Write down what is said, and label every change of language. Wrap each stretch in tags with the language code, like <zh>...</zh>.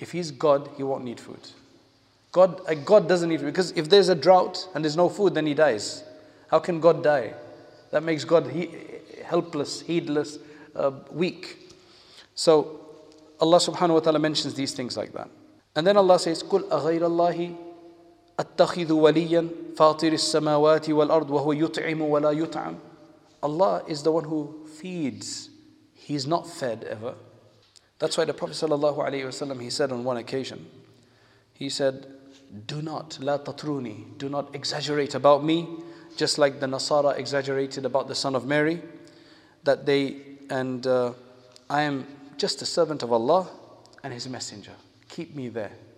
<en>If he's God, he won't need food. God doesn't need food. Because if there's a drought and there's no food, then he dies. How can God die? That makes God helpless, heedless, weak. So Allah subhanahu wa ta'ala mentions these things like that.</en> <ar>And then Allah says, قُلْ أَغَيْرَ اللَّهِ أَتَّخِذُ وَلِيًّا فَاطِرِ السَّمَاوَاتِ وَالْأَرْضِ وَهُوَ يُطْعِمُ وَلَا يُطْعَمُ.</ar> <en>Allah is the one who feeds. He's not fed ever. That's why the Prophet sallallahu alayhi wa sallam, he said on one occasion, he said, do not,</en> <ar>لا تطروني,</ar> <en>do not exaggerate about me. Just like the Nasara exaggerated about the Son of Mary, that they, and I am just a servant of Allah and His Messenger. Keep me there.</en>